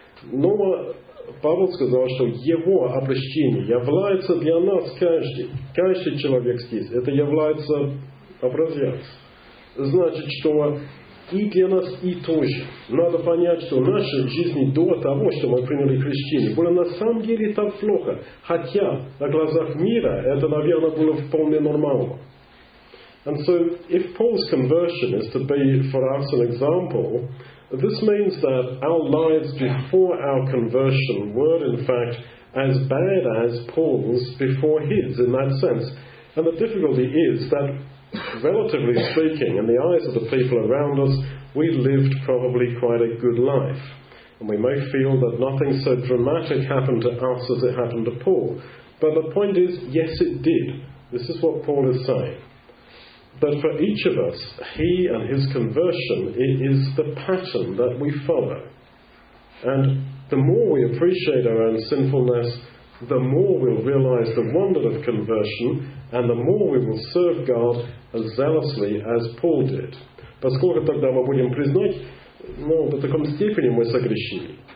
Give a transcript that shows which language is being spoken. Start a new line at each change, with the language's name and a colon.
Russian: Но Павел сказал, что его обращение является для нас каждый человек здесь, это является образец. Значит, что и для нас, и тоже. Надо понять, что наша жизнь до того, что мы приняли крещение, была на самом деле так плохо. Хотя, на глазах мира, это, наверное, было вполне нормально.
English: And so, if Paul's conversion is to be for us an example, this means that our lives before our conversion were, in fact, as bad as Paul's before his, in that sense. And the difficulty is that, relatively speaking, in the eyes of the people around us, we lived probably quite a good life. And we may feel that nothing so dramatic happened to us as it happened to Paul. But the point is, yes, it did. This is what Paul is saying. But for each of us, he and his conversion, it is the pattern that we follow. And the more we appreciate our own sinfulness, the more we'll realize the wonder of conversion, and the more we will serve God as zealously as Paul did.
Russian: Поскольку тогда мы будем признать, ну, до такой степени мы согрешили.